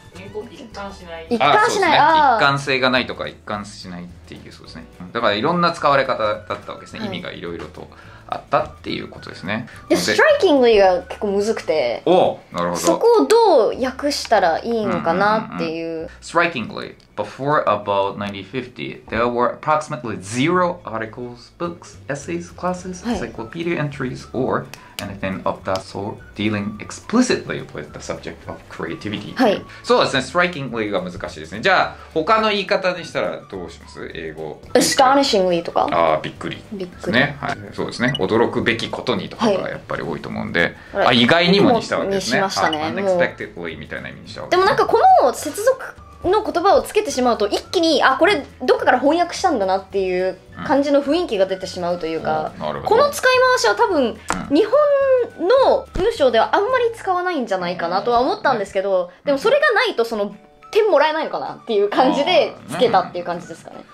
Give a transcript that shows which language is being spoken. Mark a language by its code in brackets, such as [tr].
[ja] 一貫しない、一貫しない、ああ、ね、あ、一貫性がないとか一貫しないっていう、そうですね、だからいろんな使われ方だったわけですね、はい、意味がいろいろとあったっていうことですね。で、strikingly が結構むずくて、お、なるほど、そこをどう訳したらいいのかなっていう、 [en] strikingly before about 1950 there were approximately zero articles, books, essays, classes, encyclopedia entries or anything of that sort dealing explicitly with the subject of creativity、 [ja] はい、そうですね、 strikingly が難しいですね。じゃあ他の言い方にしたらどうします、英語、 astonishingly とか、ああ、びっくり、びっくり、ね、はい、そうですね、驚くべきことにとかがやっぱり多いと思うんで、はい、あ、意外にもにしたわけですね、にしましたね、 unexpectedly みたいな意味にしたわけで、ね、でもなんかこの接続の言葉をつけてしまうと一気に、あ、これどっかから翻訳したんだなっていう感じの雰囲気が出てしまうというか、うん、この使い回しは多分、うん、日本の文章ではあんまり使わないんじゃないかなとは思ったんですけど、ね、でもそれがないとその点もらえないのかなっていう感じでつけたっていう感じですかね。